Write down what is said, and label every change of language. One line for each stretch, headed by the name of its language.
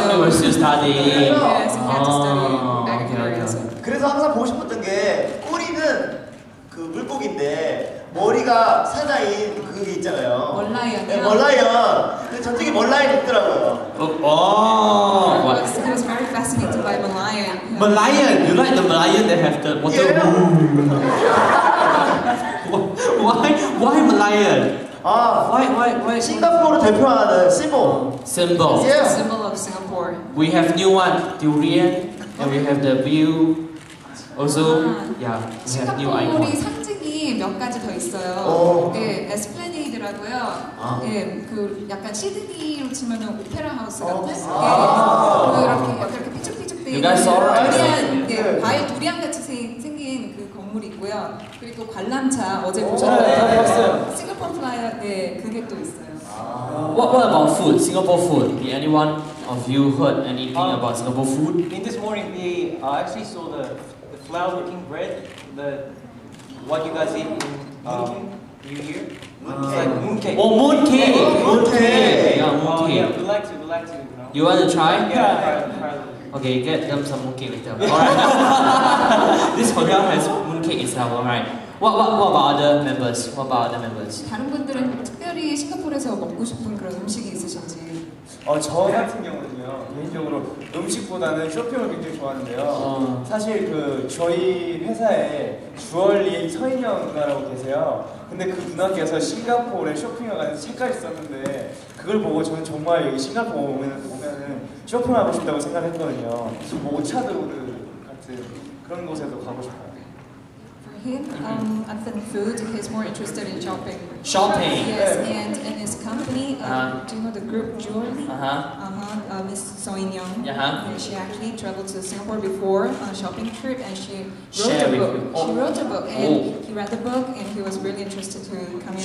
English: he was still studying. Yes, he had to study back there.
Korean: 그래서 항상 보고 싶었던 게 꼬리는 그 물고기인데 머리가 사자인 그게 있잖아요. 멀라이언. 네, 멀라이언. 저쪽이 멀라이언 있더라고요.
English: 와. He was very fascinated by Malayan. Malayan, you like the Malayan that have the water boom. Why Malayan?
Korean: 아,
English: why?
Korean: 싱가포르 대표하는 symbol.
English: Symbol. Yeah. The symbol of Singapore. We have new one, durian, and we have the view. Also, yeah, we have new icon.
Korean: 싱가포르의 상징이 몇 가지 더 있어요. 예, 에스플레니드라고요. 아. 예, 그 약간 시드니로 치면 오페라 하우스 같은 아. 예, 그 이렇게 삐죽삐죽 돼 있는 두리안, 네, 과일 두리안 같이 생긴 그 건물이 있고요. 그리고 관람차 어제 보셨어요? 싱가포르 플라이어, 네, 그게 또 있어요.
English: What about food? Singapore food? Did anyone of you heard anything about Singapore food? In this morning, we actually saw the flour-looking bread, the what you guys eat in New Year. Mooncake. Yeah, we like to. You want to try? Yeah. Okay, get them some mooncake later. All right. This hotel has mooncake itself. All right. What about other members? What about other members?
Korean: 다른 분들은 특별히 싱가포르에서 먹고 싶은 그런 음식이 있으신지? 저 같은 경우는요, 개인적으로 음식보다는 쇼핑을 굉장히 좋아하는데요. 사실 그 저희 회사에 주얼리인 서인영 누나라고 계세요. 근데 그 누나께서 싱가포르에 쇼핑을 가는 책까지 썼는데 그걸 보고 저는 정말 여기 싱가포르 오면은 쇼핑을 하고 싶다고 생각했거든요. 그래서 오차드우드 같은 그런 곳에도 가고 싶어요.
English: Other than food, he's more interested in shopping. Shopping? Yes, yeah. And in his company, do you know the group Jewelry? Miss So-in-young. Uh-huh. And she actually traveled to Singapore before on a shopping trip and she wrote a book. He read the book and he was really interested to come here